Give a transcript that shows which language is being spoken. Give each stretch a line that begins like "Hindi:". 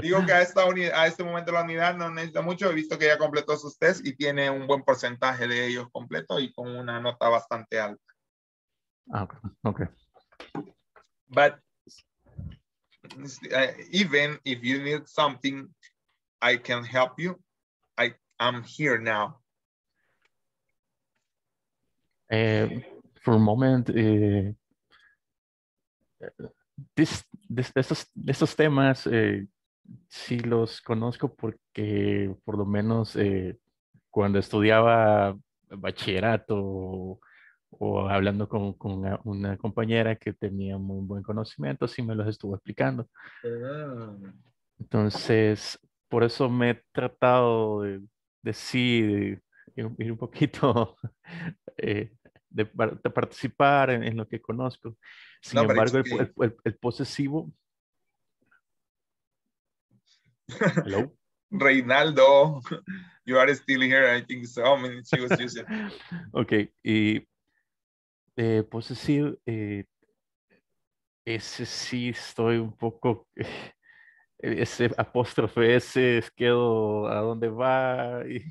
Spanish: Digo que a este momento la unidad no necesita mucho. He visto que ya completó sus tests y tiene un buen porcentaje de ellos completo y con una nota bastante alta.
English: Okay. But even if you need something, I can help you. I'm here now. For a moment,
Spanish: estos temas sí los conozco porque por lo menos cuando estudiaba bachillerato o hablando con una compañera que tenía muy buen conocimiento, sí me los estuvo explicando. Entonces, por eso me he tratado de ir un poquito de participar en lo que conozco. Sin embargo, el posesivo.
English: Hello. Reinaldo, you are still here, I think so. I mean, she was using.
Spanish: Okay, y posesivo, ese sí estoy un poco. Ese apóstrofe, ese es quedo a dónde va.